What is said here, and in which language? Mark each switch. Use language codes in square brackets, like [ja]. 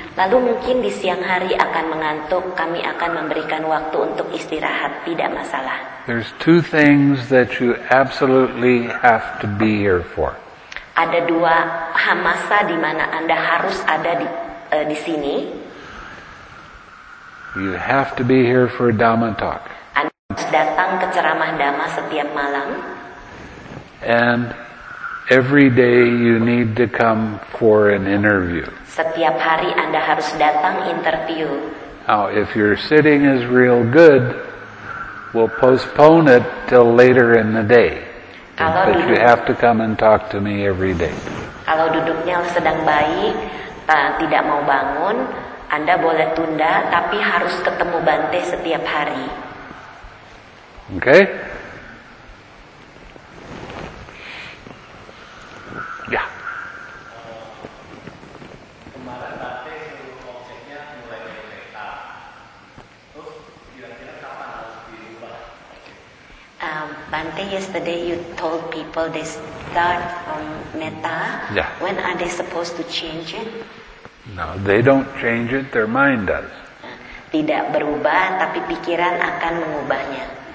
[id] Lalu mungkin di siang hari akan mengantuk, kami akan memberikan waktu untuk istirahat, tidak masalah. [en] There's two things that you absolutely have to be here for. [id] Ada dua masa di mana Anda harus ada di sini. [en] You have to be here for Dhamma talk. [id] Datang ke ceramah Dhamma setiap malam. [en] And every day you need to come for an interview. [id] Setiap hari Anda harus datang interview. [en] Now, if your sitting is real good, we'll postpone it till later in the day. [id] Kalau [en] but you have to come and talk to me every day. [id] Kalau duduknya sedang baik, tidak mau bangun, Anda boleh tunda, tapi harus ketemu Bante setiap hari. [en] Okay. Yeah. [id] Kemarin Bante suruh konsepnya mulai dari peta. Terus kira-kira kapan harus dirubah? [en] Bante, yesterday you told people they start from meta. Yeah. When are they supposed to change it? No, they don't change it. Their mind does. [id] Tidak berubah, tapi pikiran akan mengubahnya.